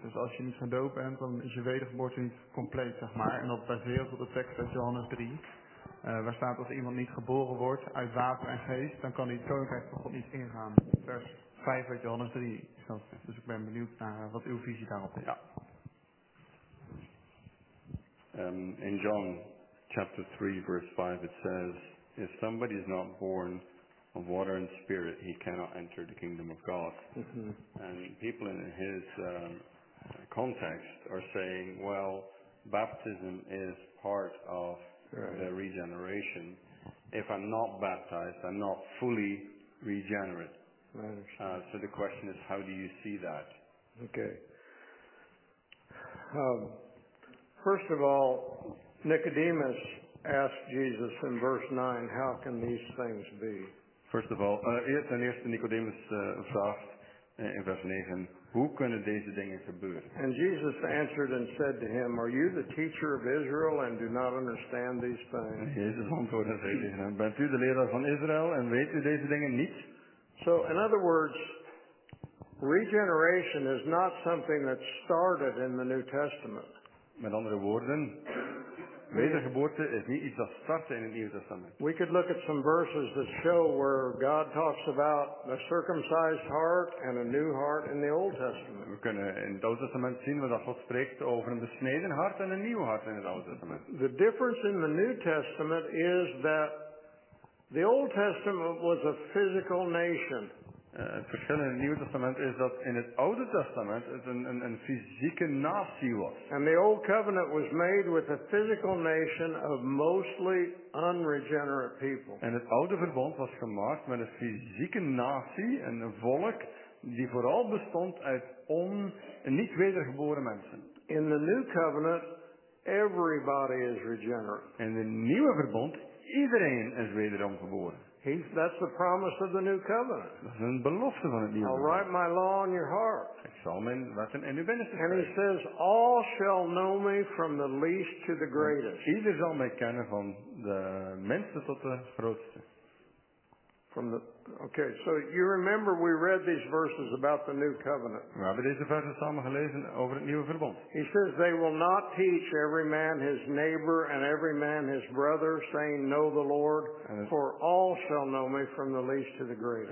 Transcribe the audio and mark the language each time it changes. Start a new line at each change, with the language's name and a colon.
Dutch: Dus als je niet gedoopt bent, dan is je wedergeboorte niet compleet, zeg maar. En dat baseert op de tekst uit Johannes 3. Waar staat als iemand niet geboren wordt uit water en geest, dan kan hij het koninkrijk van God niet ingaan. Vers 5 uit Johannes 3. Dus ik ben benieuwd naar wat uw visie daarop is. Ja.
English: In John chapter 3 verse 5 it says, if somebody is not born of water and spirit, he cannot enter the kingdom of God. Mm-hmm. And people in his context are saying, well, baptism is part of the regeneration. If I'm not baptized, I'm not fully regenerate. So the question is, how do you see that? Okay. First of all, Nicodemus asked Jesus in verse 9, how can these things be? First of all,
Dutch: ten eerste Nicodemus vraagt in vers 9, hoe kunnen deze dingen gebeuren?
English: And Jesus answered and said to him, are you the teacher of Israel and do not understand these things?
Dutch: En Jezus antwoordde en zei tegen hem, bent u de leraar van Israël en weet u deze dingen niet?
English: So, in other words, regeneration is not something that started in the New Testament.
Dutch: Met andere woorden, wedergeboorte is niet iets dat startte in het Nieuwe Testament.
English: We could look at some verses that show where God talks about a circumcised heart and a new heart in the Old Testament.
Dutch: We kunnen in het Oude Testament zien dat God spreekt over een besneden hart en een nieuw hart in het Oude Testament.
English: The difference in the New Testament is that the Old Testament was a physical nation.
Dutch: Het verschil in het Nieuwe Testament is dat in het Oude Testament het een fysieke natie was.
English: And the old covenant was made with a physical nation of mostly unregenerate people.
Dutch: En het oude verbond was gemaakt met een fysieke natie, een volk die vooral bestond uit niet wedergeboren mensen.
English: In the new covenant, everybody is regenerate.
Dutch: In het nieuwe verbond, iedereen is wederom geboren.
English: That's the promise of the new covenant.
Dutch: Dat is een belofte van het nieuwe.
English: I'll write my law on your heart.
Dutch: Ik zal mijn wetten in uw binnenste schrijven.
English: And he says, all shall know me from the least to the greatest.
Dutch: Ieder zal mij kennen van de minste tot de grootste.
English: Okay, so you remember we read these verses about the new covenant.
Dutch: We hebben deze versen samen gelezen over het nieuwe verbond.
English: He says, they will not teach every man his neighbor and every man his brother, saying, know the Lord, for all shall know me from the least to the greatest.